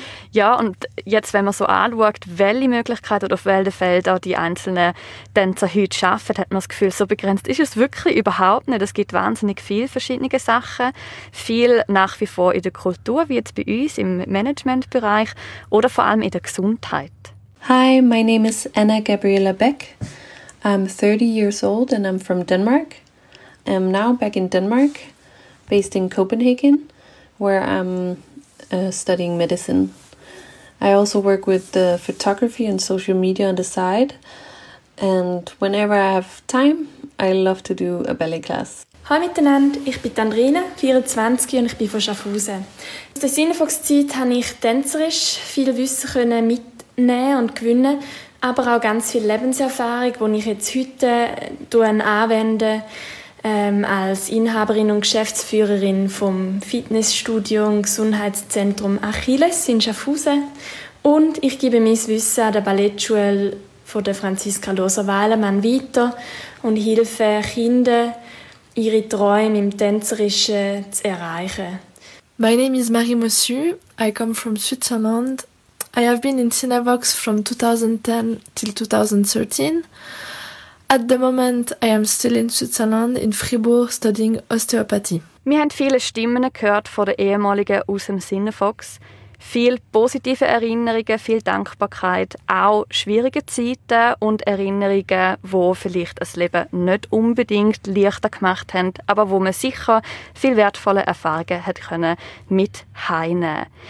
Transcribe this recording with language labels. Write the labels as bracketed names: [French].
[German] Ja, und jetzt, wenn man so anschaut, welche Möglichkeiten oder auf welchen Feldern die einzelnen Tänzer heute arbeiten, hat man das Gefühl, so begrenzt ist es wirklich überhaupt nicht. Es gibt wahnsinnig viele verschiedene Sachen. Viel nach wie vor in der Kultur, wie jetzt bei uns im Managementbereich oder vor allem in der Gesundheit. [English] Hi, my name is Anna Gabriela Beck. I'm 30 years old and I'm from Denmark. I'm now back in Denmark, based in Copenhagen, where I'm studying medicine. I also work with the photography and social media on the side. And whenever I have time, I love to do a ballet class. [German] Hallo miteinander, ich bin Andrina, 24 und ich bin von Schaffhausen. In der Sinnefox-Zeit habe ich tänzerisch viel Wissen können mitnehmen und gewinnen, aber auch ganz viel Lebenserfahrung, die ich jetzt heute anwende, als Inhaberin und Geschäftsführerin vom Fitnessstudio und Gesundheitszentrum Achilles in Schaffhausen. Und ich gebe mein Wissen an der Ballettschule von der Franziska Loser-Weilemann weiter und helfe Kindern, ihre Träume im Tänzerischen zu erreichen. [English] My name is Marie Mossu. I come from Switzerland. I have been in Cinevox from 2010 till 2013. At the moment, I am still in Switzerland, in Fribourg, studying Osteopathy. [German] Wir haben viele Stimmen gehört von der ehemaligen aus dem Cinevox. Viel positive Erinnerungen, viel Dankbarkeit, auch schwierige Zeiten und Erinnerungen, die vielleicht das Leben nicht unbedingt leichter gemacht haben, aber wo man sicher viel wertvolle Erfahrungen hat können mit heine.